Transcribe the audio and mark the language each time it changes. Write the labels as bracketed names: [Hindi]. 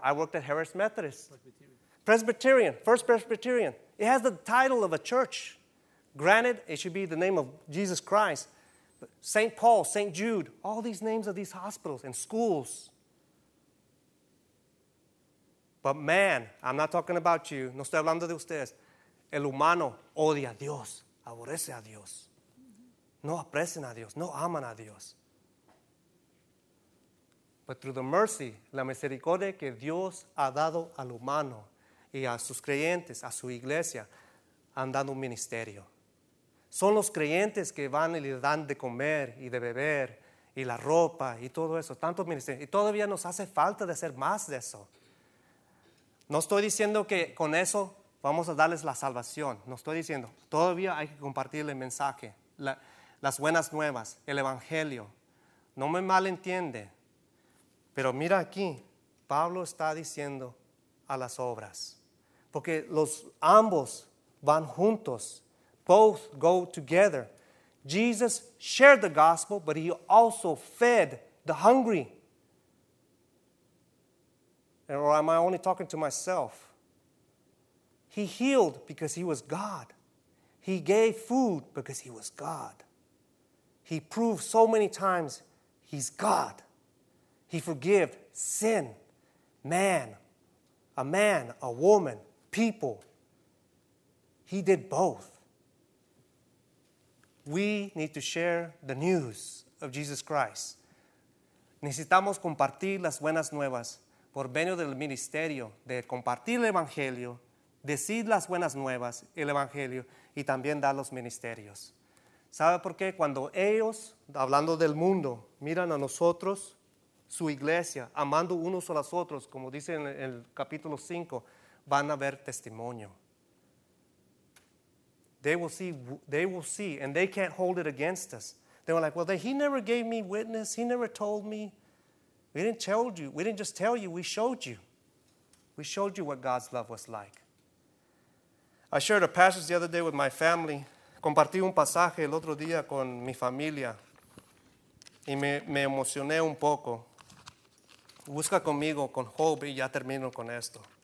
[English] I worked at Harris Methodist. Presbyterian, First Presbyterian. It has the title of a church. Granted, it should be the name of Jesus Christ. St. Paul, St. Jude, all these names of these hospitals and schools. But man, I'm not talking about you. [Spanish] No estoy hablando de ustedes. El humano odia a Dios. Aborrece a Dios. No aprecian a Dios. No aman a Dios. [English] But through the mercy, [Spanish] la misericordia que Dios ha dado al humano y a sus creyentes, a su iglesia, han dado un ministerio. Son los creyentes que van y le dan de comer y de beber y la ropa y todo eso. Tantos ministerios. Y todavía nos hace falta de hacer más de eso. No estoy diciendo que con eso vamos a darles la salvación. No estoy diciendo. Todavía hay que compartir el mensaje. Las buenas nuevas. El evangelio. No me malentiende. Pero mira aquí. Pablo está diciendo a las obras. Porque los ambos van juntos. [English] Both go together. Jesus shared the gospel, but he also fed the hungry. Or am I only talking to myself? He healed because he was God. He gave food because he was God. He proved so many times he's God. He forgave sin, man, a woman, people. He did both. We need to share the news of Jesus Christ. [Spanish] Necesitamos compartir las buenas nuevas por medio del ministerio de compartir el evangelio, decir las buenas nuevas, el evangelio, y también dar los ministerios. ¿Sabe por qué? Cuando ellos, hablando del mundo, miran a nosotros, su iglesia, amando unos a los otros, como dice en el capítulo 5, van a ver testimonio. [English] They will see, and they can't hold it against us. They were like, well, he never gave me witness. He never told me. We didn't tell you. We didn't just tell you. We showed you. We showed you what God's love was like. I shared a passage the other day with my family. [Spanish] Compartí un pasaje el otro día con mi familia. Y me emocioné un poco. Busca conmigo con Job, y ya termino con esto.